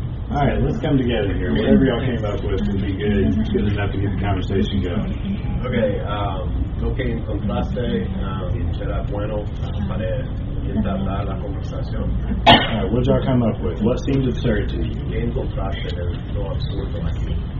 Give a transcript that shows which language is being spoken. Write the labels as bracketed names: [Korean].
[English] All right, let's come together here. Whatever y'all came up with would be good enough to get the conversation going. [Spanish] Okay, lo que encontraste será bueno para entablar la conversación. [English] All right, what did y'all come up with? What seems absurd to you? [Spanish] ¿Qué encontraste de lo absurdo aquí?